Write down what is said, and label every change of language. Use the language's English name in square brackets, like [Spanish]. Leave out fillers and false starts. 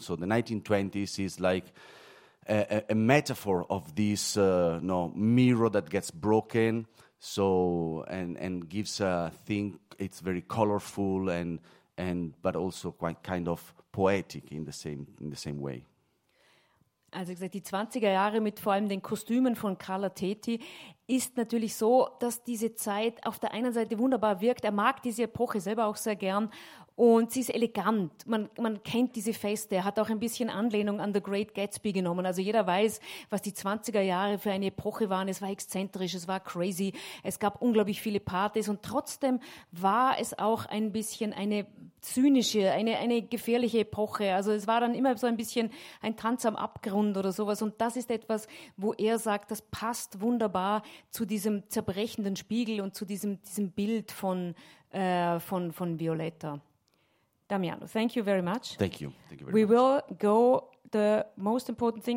[English] So the 1920s is like a metaphor of this mirror that gets broken. So and gives a thing. It's very colorful and but also quite kind of poetic in the same way. [German] Also gesagt, die 20er Jahre mit vor allem den Kostümen von Carla Tetti ist natürlich so, dass diese Zeit auf der einen Seite wunderbar wirkt. Er mag diese Epoche selber auch sehr gern und sie ist elegant. Man kennt diese Feste. Er hat auch ein bisschen Anlehnung an The Great Gatsby genommen. Also jeder weiß, was die 20er Jahre für eine Epoche waren. Es war exzentrisch, es war crazy. Es gab unglaublich viele Partys und trotzdem war es auch ein bisschen eine zynische, eine gefährliche Epoche. Also es war dann immer so ein bisschen ein Tanz am Abgrund oder sowas. Und das ist etwas, wo er sagt, das passt wunderbar zu diesem zerbrechenden Spiegel und zu diesem Bild von Violetta. [English] Damiano, thank you very much. Thank you. Thank you very much. We will go the most important thing.